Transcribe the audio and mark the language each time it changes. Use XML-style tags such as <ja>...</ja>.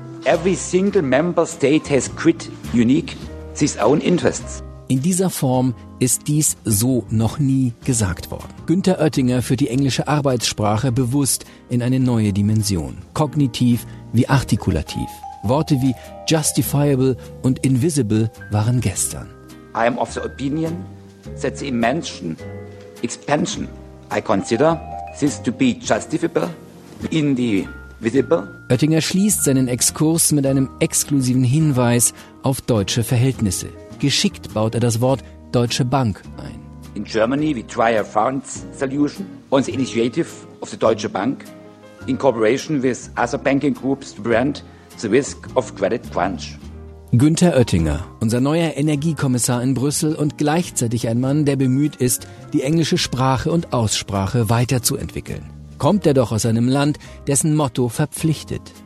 <en>Every single member state has quit unique its own interests.</en> <de>In dieser Form ist dies so noch nie gesagt worden. Günther Oettinger führt die englische Arbeitssprache bewusst in eine neue Dimension, kognitiv wie artikulativ. Worte wie justifiable und invisible waren gestern.</de> <en>I am of the opinion that the immersion expansion I consider this to be justifiable in the visible.</en> <de>Oettinger schließt seinen Exkurs mit einem exklusiven Hinweis auf deutsche Verhältnisse. Geschickt baut er das Wort Deutsche Bank ein.</de> <en>In Germany we try a funds solution on the initiative of the Deutsche Bank in cooperation with other banking groups to prevent the risk of credit crunch.</en> <de>Günther Oettinger, unser neuer Energiekommissar in Brüssel und gleichzeitig ein Mann, der bemüht ist, die englische Sprache und Aussprache weiterzuentwickeln. Kommt er doch aus einem Land, dessen Motto verpflichtet.</de>